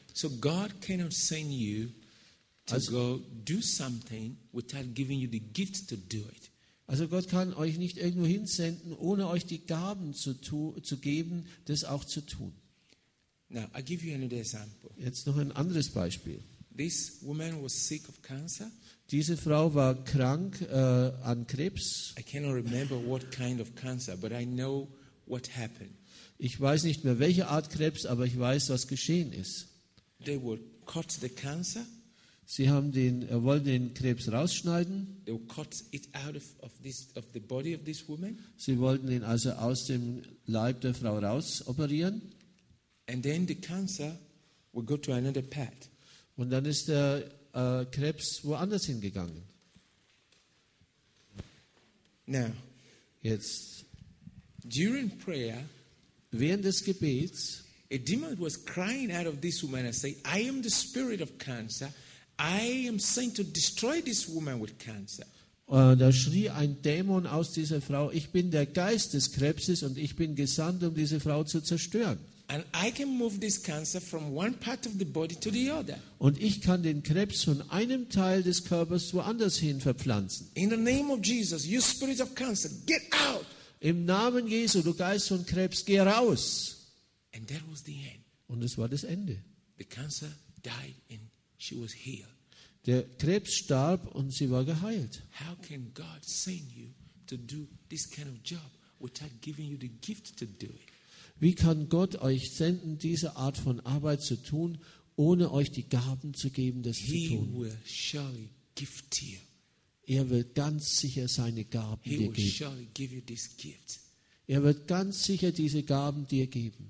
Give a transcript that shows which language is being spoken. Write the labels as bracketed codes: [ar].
[en] So God cannot send you to go do something without giving you the gift to do it. [de] Also Gott kann euch nicht irgendwo hinsenden, ohne euch die Gaben zu geben, das auch zu tun. [en] Now I give you another example. [de] Jetzt noch ein anderes Beispiel. [en] This woman was sick of cancer. [de] Diese Frau war krank an Krebs. [en] I cannot remember what kind of cancer, but I know what happened. [de] Ich weiß nicht mehr welche Art Krebs, aber ich weiß, was geschehen ist. [en] They would cut the cancer. [de] Sie haben wollen den Krebs rausschneiden. [en] They would cut it out of the body of this woman. [de] Sie wollten ihn also aus dem Leib der Frau raus operieren. [en] And then the cancer will go to another path. [de] Und dann ist der Krebs woanders hingegangen. [en] Now, [de] jetzt [en] During prayer, [de] während des Gebets, [en] a demon was crying out of this woman and saying, "I am the spirit of cancer. I am sent to destroy this woman with cancer." [de] Da schrie ein Dämon aus dieser Frau: "Ich bin der Geist des Krebses und ich bin gesandt, um diese Frau zu zerstören." [en] And I can move this cancer from one part of the body to the other. [de] Und ich kann den Krebs von einem Teil des Körpers woanders hin verpflanzen. [en] In the name of Jesus, you spirit of cancer, get out! [de] Im Namen Jesu, du Geist von Krebs, geh raus! [en] And that was the end. [de] Und es war das Ende. [en] The cancer died and she was healed. [de] Der Krebs starb und sie war geheilt. [en] How can God send you to do this kind of job without giving you the gift to do it? [de] Wie kann Gott euch senden, diese Art von Arbeit zu tun, ohne euch die Gaben zu geben, das [en] He [de] zu tun? [en] Will surely gift you. [de] Er wird ganz sicher seine Gaben [en] He [de] dir [en] will [de] geben. [en] Surely give you this gift. [de] Er wird ganz sicher diese Gaben dir geben.